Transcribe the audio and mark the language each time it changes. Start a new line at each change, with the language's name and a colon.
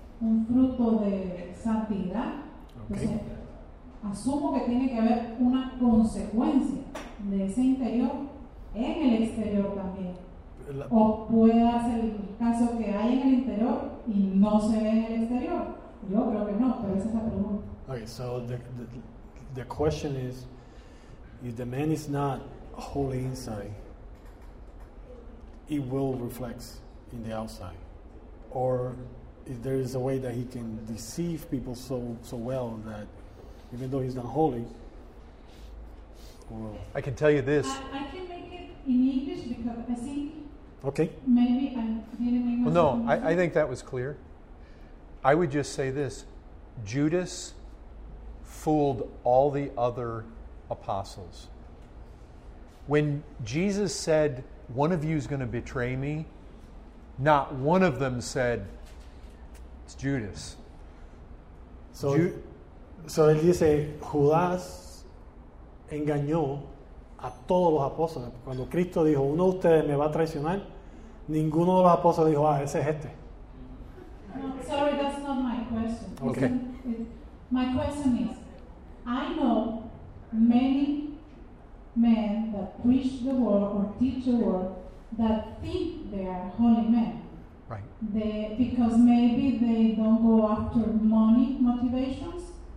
Spanish: un fruto de santidad, okay, entonces asumo que tiene que haber una consecuencia de ese interior en el exterior también. O puede ser el caso que hay en el interior y no se ve en el exterior. Yo creo que no, pero esa es la pregunta.
English: Okay, so the question is, if the man is not holy inside, it will reflect in the outside. Or if there is a way that he can deceive people so well that even though he's not holy, well, I can tell you this. I can make it in English because I think, okay, maybe I'm feeling English. Well, no, I think that was clear. I would just say this. Judas fooled all the other apostles. When Jesus said, one of you is going to betray me, not one of them said, it's Judas.
Spanish: So él dice, Judas engañó a todos los apóstoles. Cuando Cristo dijo, uno de ustedes me va a traicionar, ninguno de los apóstoles dijo, ah, ese es este.
English: No, sorry, that's not my question. Okay. My question is, I know many men that preach the word or teach the word that think they are holy men. Right. They, because maybe they don't go after money motivations.